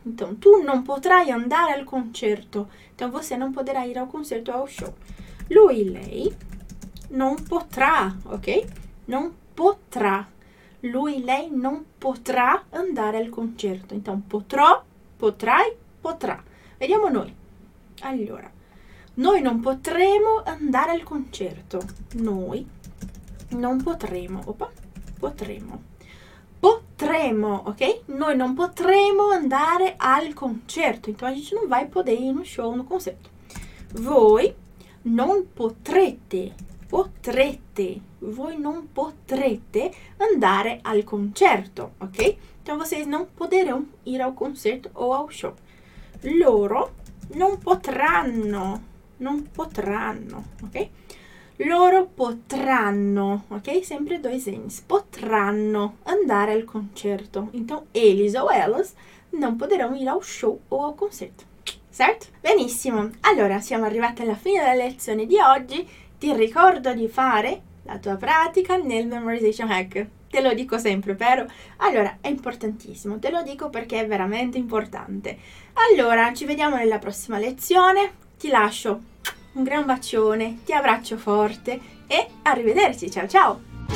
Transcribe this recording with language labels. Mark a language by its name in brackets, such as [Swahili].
[Italian] Então, tu non potrai andare al concerto. [Portuguese] Então, você não poderá ir ao concerto ou ao show. [Italian] Lui, lei, non potrà, ok? Non potrà. Lui, lei non potrà andare al concerto. Então, potrò, potrai, potrà. Vediamo noi. Allora, noi non potremo andare al concerto. Noi non potremo. Opa, potremo. Potremo, ok? Noi non potremo andare al concerto, [Portuguese] então a gente não vai poder ir no show, no concerto. [Italian] Voi non potrete, potrete, voi non potrete andare al concerto, ok? [Portuguese] Então vocês não poderão ir ao concerto ou ao show. [Italian] Loro non potranno, ok? Loro potranno, ok? [Portuguese] Sempre dois N's. [Italian] Potranno andare al concerto. [Portuguese] Então, eles ou elas não poderão ir ao show ou ao concerto. [Italian] Certo? Benissimo. Allora, siamo arrivati alla fine della lezione di oggi. Ti ricordo di fare la tua pratica nel Memorization Hack. Te lo dico sempre, vero? Allora, è importantissimo. Te lo dico perché è veramente importante. Allora, ci vediamo nella prossima lezione. Ti lascio. Un gran bacione, ti abbraccio forte e arrivederci, ciao ciao!